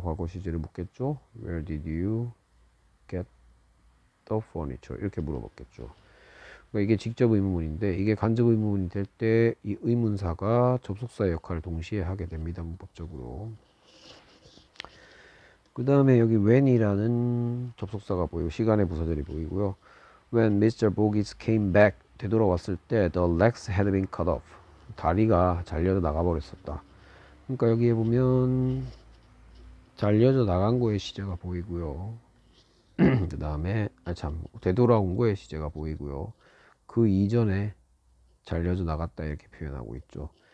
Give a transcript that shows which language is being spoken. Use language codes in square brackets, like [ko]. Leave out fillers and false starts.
[ko] 과거 시제를 묻겠죠. [en] Where did you get the furniture? [ko] 이렇게 물어봤겠죠. 그러니까 이게 직접 의문문인데 이게 간접 의문문이 될때이 의문사가 접속사의 역할을 동시에 하게 됩니다. 문법적으로. 그 다음에 여기 when이라는 접속사가 보이고 시간의 부사절이 보이고요. [en] When Mr. Bogies came back [ko] 되돌아왔을 때 [en] the legs had been cut off. [ko] 다리가 잘려져 나가버렸었다. 그러니까 여기에 보면 잘려져 나간 거에 시제가 보이고요. 그 다음에 아참 되돌아온 거에 시제가 보이고요. 그 이전에 잘려져 나갔다 이렇게 표현하고 있죠.